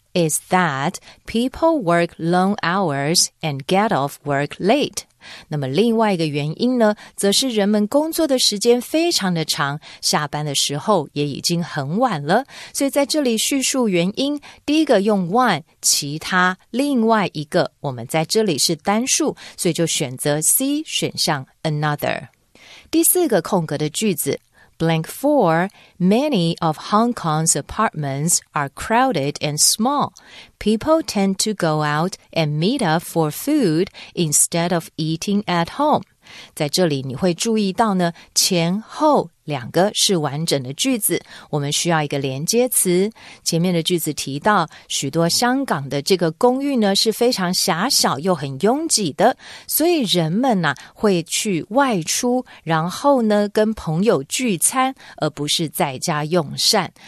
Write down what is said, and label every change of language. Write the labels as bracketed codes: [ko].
[en] is that people work long hours and get off work late. [zh] 那么另外一个原因呢，则是人们工作的时间非常的长，下班的时候也已经很晚了。所以在这里叙述原因，第一个用 one， 其他另外一个，我们在这里是单数，所以就选择 C 选项 another。第四个空格的句子 [en] ，blank four， many of Hong Kong's apartments are crowded and small. People tend to go out and meet up for food instead of eating at home. [zh] 在这里你会注意到呢，前后两个是完整的句子，我们需要一个连接词。前面的句子提到，许多香港的这个公寓呢，是非常狭小又很拥挤的，所以人们啊，会去外出，然后呢，跟朋友聚餐，而不是在家用膳。